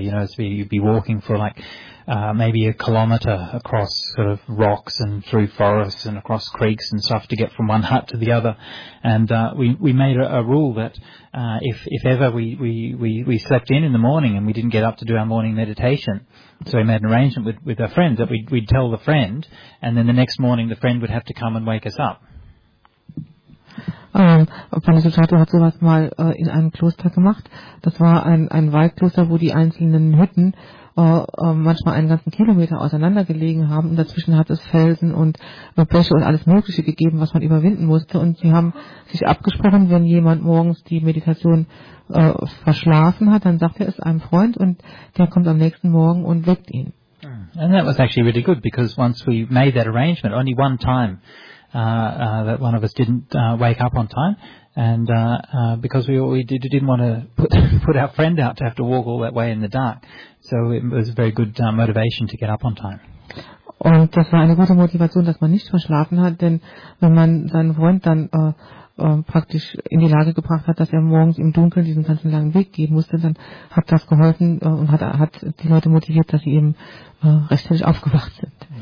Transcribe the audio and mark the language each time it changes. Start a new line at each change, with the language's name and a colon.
English: You know, so you'd be walking for like maybe a kilometre across sort of rocks and through forests and across creeks and stuff to get from one hut to the other. And we made a rule that if ever we slept in the morning and we didn't get up to do our morning meditation, so we made an arrangement with our friend that we'd tell the friend, and then the next morning the friend would have to come and wake us up.
German: Pane Suchato hat sowas mal in einem Kloster gemacht. Das war ein Waldkloster, wo die einzelnen Hütten manchmal einen ganzen Kilometer auseinander gelegen haben. Und dazwischen hat es Felsen und Bäche und alles Mögliche gegeben, was man überwinden musste. Und sie haben sich abgesprochen, wenn jemand morgens die Meditation verschlafen hat, dann sagt er es einem Freund und der kommt am nächsten Morgen und weckt ihn.
English: And that was actually really good, because once we made that arrangement, only one time, that one of us didn't wake up on time, and because we didn't want to put our friend out to have to walk all that way in the dark, so it was a very good motivation to get up on time.
German: Und das war eine gute Motivation, dass man nicht verschlafen hat, denn wenn man seinen Freund dann praktisch in die Lage gebracht hat, dass er morgens im Dunkeln diesen ganzen langen Weg gehen musste, dann hat das geholfen und hat die Leute motiviert, dass sie eben rechtzeitig aufgewacht sind.